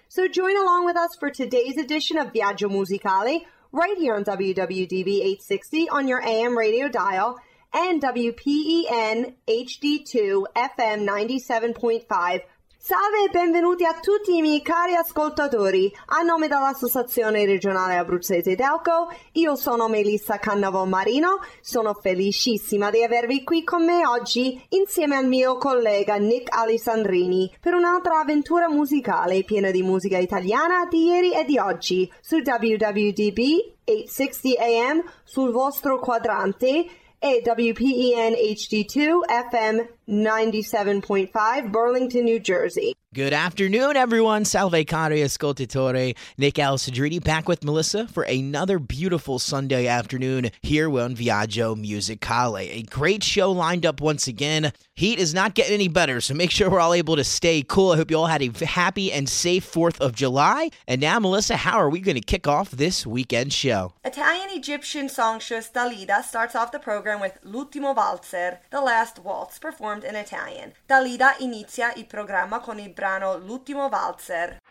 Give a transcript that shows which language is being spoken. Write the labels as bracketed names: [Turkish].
[English] So join along with us for today's edition of Viaggio Musicale, right here on WWDB 860 on your AM radio dial, and WPEN HD2 FM 97.5. [Italian] Salve e benvenuti a tutti i miei cari ascoltatori. A nome dell'Associazione Regionale Abruzzese Delco, io sono Melissa Cannavo Marino. Sono felicissima di avervi qui con me oggi, insieme al mio collega Nick Alessandrini, per un'altra avventura musicale piena di musica italiana di ieri e di oggi, su WWDB 860 AM, sul vostro quadrante, e WPEN HD2 FM 97.5 Burlington, New Jersey. [English] Good afternoon, everyone. [Italian] Salve cari ascoltatori. [English] Nick Alessandrini back with Melissa for another beautiful Sunday afternoon here on Viaggio Musicale. A great show lined up once again. Heat is not getting any better, so make sure we're all able to stay cool. I hope you all had a happy and safe 4th of July. And now, Melissa, how are we going to kick off this weekend show? Italian-Egyptian songstress Dalida starts off the program with L'Ultimo Valzer, the last waltz performed in Italian. [Italian] Dalida inizia il programma con il brano L'Ultimo Valzer.